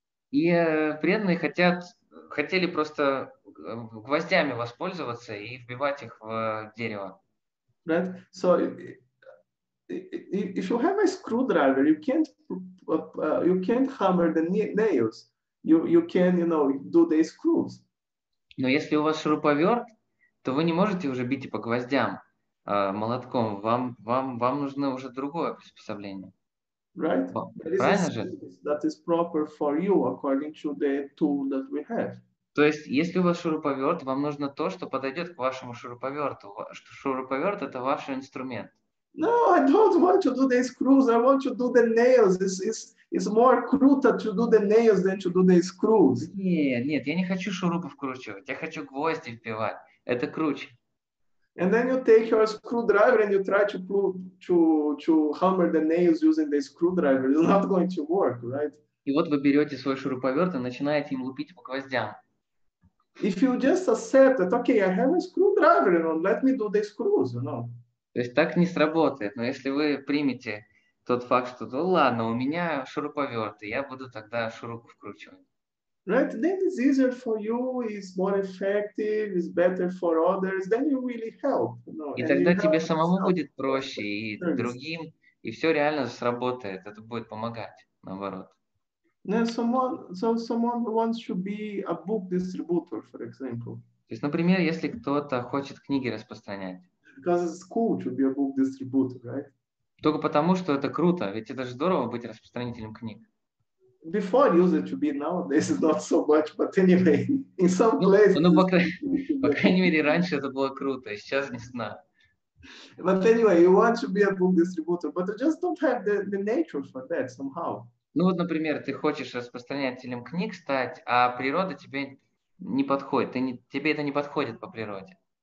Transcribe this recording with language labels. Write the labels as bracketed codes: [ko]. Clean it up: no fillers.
[ru] И преданные хотели просто гвоздями воспользоваться и вбивать их в дерево. [en] Right. So if you have a screwdriver, you can't hammer the nails. You can do the screws. [ru] Но если у вас шуруповерт, то вы не можете уже бить по гвоздям молотком. Вам нужно уже другое приспособление. [en] Right. [ru] Правильно же? [en] That is proper for you according to the tool that we have. [ru] То есть, если у вас шуруповерт, вам нужно то, что подойдет к вашему шуруповерту. Шуруповерт это ваш инструмент. [en] No, I don't want to do the screws. I want to do the nails. It's more cruder to do the nails than to do the screws. [ru] Нет, я не хочу шурупы вкручивать. Я хочу гвозди вбивать. Это круче. [en] And then you take your screwdriver and you try to hammer the nails using the screwdriver. It's not going to work, right? [ru] И вот вы берете свой шуруповерт и начинаете им лупить по гвоздям. [en] If you just accept that, okay, I have a screwdriver, you know, let me do the screws, you know. [ru] То есть так не сработает. Но если вы примете тот факт, что, ну ладно, у меня шуруповерт, и я буду тогда шурупы вкручивать. [en] Right, then it's easier for you, it's more effective, it's better for others, then you really help. You know? [ru] И тогда тебе самому будет проще, и другим, и все реально сработает, это будет помогать, наоборот. [en] Then someone wants to be a book distributor, for example. [ru] То есть, например, если кто-то хочет книги распространять. [en] Because it's cool to be a book distributor, right? [ru] Только потому, что это круто, ведь это же здорово быть распространителем книг. [en] Before I used it to be nowadays is not so much, but anyway, in some places. [ru] Ну, по крайней мере, раньше это было круто, сейчас не знаю. [en] But anyway, you want to be a book distributor, but you just don't have the nature for that somehow. [ru] Ну вот, например, ты хочешь распространителем книг стать, а природа тебе не подходит. Тебе это не подходит по природе.